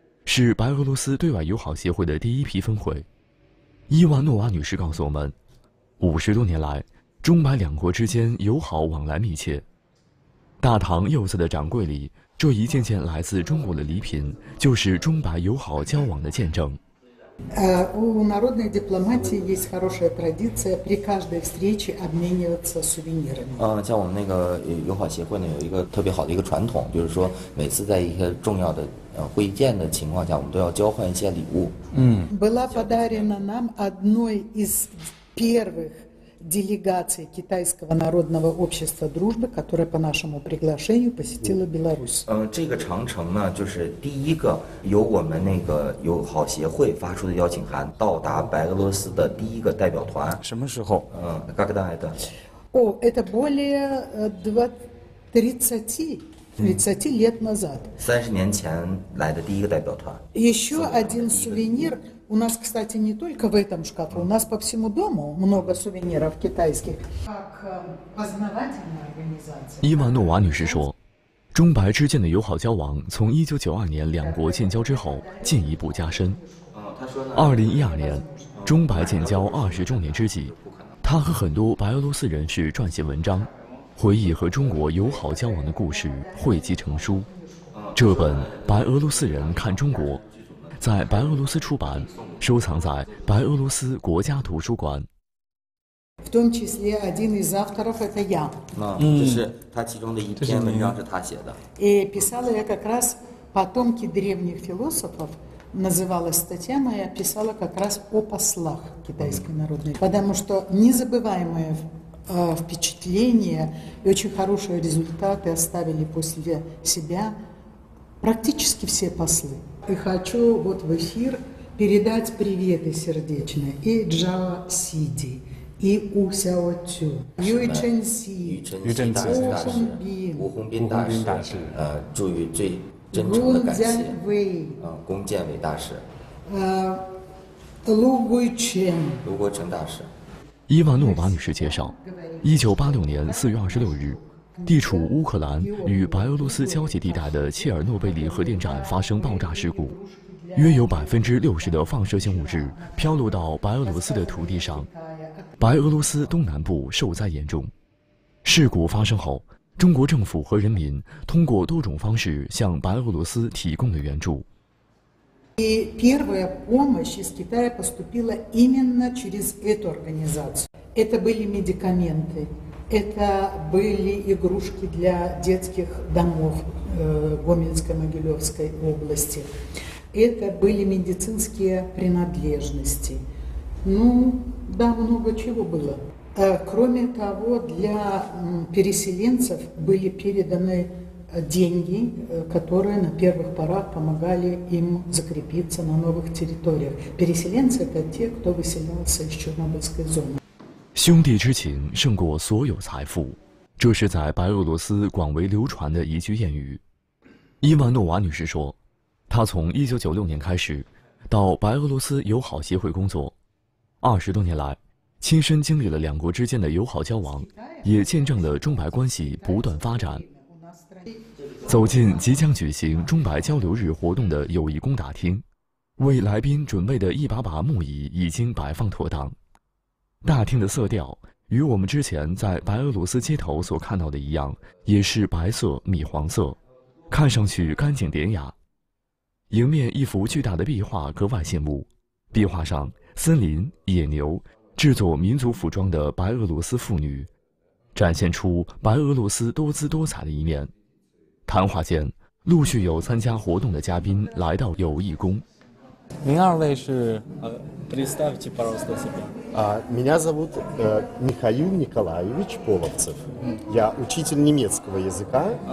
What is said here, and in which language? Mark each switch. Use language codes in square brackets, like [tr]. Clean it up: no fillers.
[zh] 是白俄罗斯对外友好协会的第一批分会。伊万诺娃女士告诉我们，50多年来，中白两国之间友好往来密切。大堂右侧的展柜里，这一件件来自中国的礼品，就是中白友好交往的见证。 [ru] У народной дипломатии есть хорошая традиция при каждой встрече обмениваться сувенирами. [zh] 像我们那个友好协会呢，有一个特别好的一个传统，就是说每次在一些重要的会见的情况下，我们都要交换一些礼物。 [ru] Была подарена нам одной из первых делегаций китайского народного общества дружбы, которая по нашему приглашению посетила Беларусь. [zh] 这个长城呢，就是第一个由我们那个友好协会发出的邀请函到达白俄罗斯的第一个代表团。什么时候？ [ru] когда это? Это более 30 лет назад. [zh] 30年前来的第一个代表团。 [ru] Еще один сувенир. У нас, кстати, не только в этом шкафу, у нас по всему дому много сувениров китайских. Как познавательная организация. [zh] 伊万诺娃女士说，中白之间的友好交往从1992年两国建交之后进一步加深。 2012年，中白建交20周年之际，她和很多白俄罗斯人士撰写文章，回忆和中国友好交往的故事，汇集成书。这本《白俄罗斯人看中国》。在白俄罗斯出版，收藏在白俄罗斯国家图书馆。 [ru] В том числе один из авторов это я. [zh] 这是他其中的一篇文章，是他写的。 [ru] И писала я как раз потомки древних философов, называлась статья моя, писала как раз о послах китайской народной, потому что незабываемые впечатления и очень хорошие результаты оставили после себя практически все послы. И хочу вот в эфир передать приветы сердечные и Джао Сиди, и У Сяо Цю, Юй Чэнь Си, Ю Чэнь Си, У Хун Бин, [zh] У Хун Бин 大师，祝予最真诚的感谢。 [ru] Гун Цзян Вэй, [zh] 龚建伟大师。 [ru] Лу Гуй Чэн, [zh] 卢国成大师。伊万诺娃女士介绍，1986年4月26日。地处乌克兰与白俄罗斯交界地带的切尔诺贝利核电站发生爆炸事故，约有60%的放射性物质飘落到白俄罗斯的土地上，白俄罗斯东南部受灾严重。事故发生后，中国政府和人民通过多种方式向白俄罗斯提供了援助。 [ru] И первая помощь из Китая поступила именно через эту организацию. Это были медикаменты. Это были игрушки для детских домов Гомельско-Могилевской области. Это были медицинские принадлежности. Много чего было. Кроме того, для переселенцев были переданы деньги, которые на первых порах помогали им закрепиться на новых территориях. Переселенцы – это те, кто выселялся из Чернобыльской зоны. [zh] 兄弟之情胜过所有财富，这是在白俄罗斯广为流传的一句谚语。伊万诺娃女士说，她从1996年开始到白俄罗斯友好协会工作，20多年来亲身经历了两国之间的友好交往，也见证了中白关系不断发展。走进即将举行中白交流日活动的友谊公大厅，为来宾准备的一把把木椅已经摆放妥当。大厅的色调与我们之前在白俄罗斯街头所看到的一样，也是白色米黄色，看上去干净典雅。迎面一幅巨大的壁画格外醒目，壁画上森林、野牛、制作民族服装的白俄罗斯妇女，展现出白俄罗斯多姿多彩的一面。谈话间，陆续有参加活动的嘉宾来到友谊宫。您二位是 [ru] представьте, пожалуйста, себя. Меня зовут Михаил Николаевич Половцев. Я учитель немецкого языка.